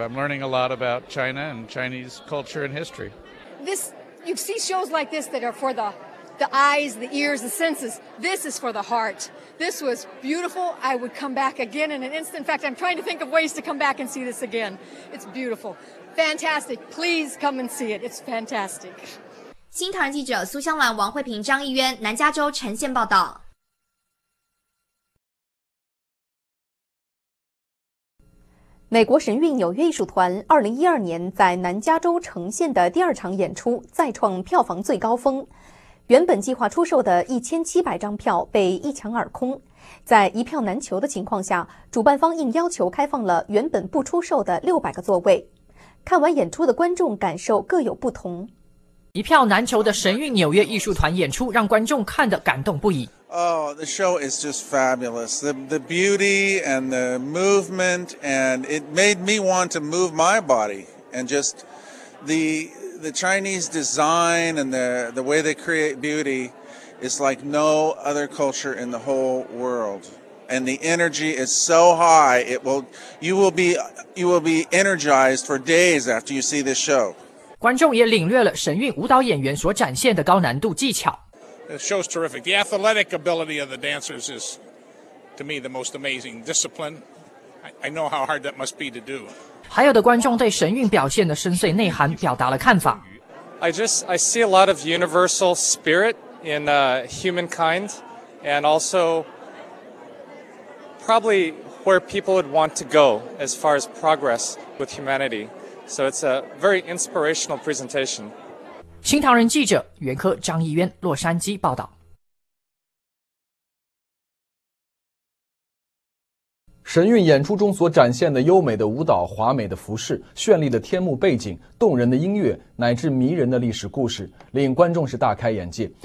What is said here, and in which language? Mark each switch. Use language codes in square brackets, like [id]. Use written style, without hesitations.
[en] I'm learning a lot about China and Chinese culture and history. This, you see shows like this that are for the eyes, the ears, the senses. This is for the heart. This was beautiful. I would come back again in an instant. In fact, I'm trying to think of ways to come back and see this again. It's beautiful. Fantastic. Please come and see it. It's fantastic. [zh] 新唐人记者苏香兰、王慧平、张艺渊，南加州呈现报道。美国神韵纽约艺术团2012年在南加州呈现的第二场演出再创票房最高峰，原本计划出售的1700张票被一抢而空，在一票难求的情况下，主办方应要求开放了原本不出售的600个座位。看完演出的观众感受各有不同。一票难求的神韵纽约艺术团演出让观众看得感动不已。 [en] Oh, the show is just fabulous. The beauty and the movement, and it made me want to move my body. And just the Chinese design and the way they create beauty is like no other culture in the whole world. And the energy is so high, you will be energized for days after you see this show. [zh] 观众也领略了神韵舞蹈演员所展现的高难度技巧。 [en] The show's terrific. The athletic ability of the dancers is, to me, the most amazing discipline. I know how hard that must be to do. [zh] 还有的观众对神韵表现的深邃内涵表达了看法。 [en] I see a lot of universal spirit in humankind, and also probably where people would want to go as far as progress with humanity. So it's a very inspirational presentation. [zh] 新唐人记者袁科、张艺渊，洛杉矶报道。神韵演出中所展现的优美的舞蹈、华美的服饰、绚丽的天幕背景、动人的音乐乃至迷人的历史故事，令观众是大开眼界。